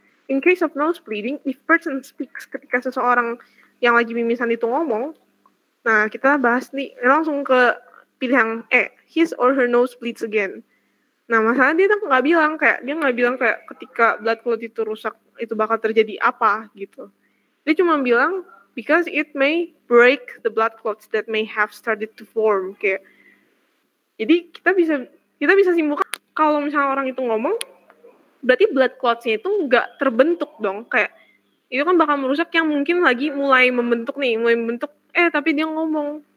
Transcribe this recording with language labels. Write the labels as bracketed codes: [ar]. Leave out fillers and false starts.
[en] In case of nose bleeding, if person speaks, [id] ketika seseorang yang lagi mimisan itu ngomong, nah, kita bahas nih, langsung ke pilihan E, [en] his or her nose bleeds again. [id] Nah, masalah dia nggak bilang, kayak ketika blood clot itu rusak, itu bakal terjadi apa, gitu. Dia cuma bilang, [en] because it may break the blood clots that may have started to form. [id] Kayak, jadi kita bisa simpulkan, kalau misalnya orang itu ngomong, berarti blood clots-nya itu nggak terbentuk dong. Kayak, itu kan bakal merusak yang mungkin lagi mulai membentuk, tapi dia ngomong.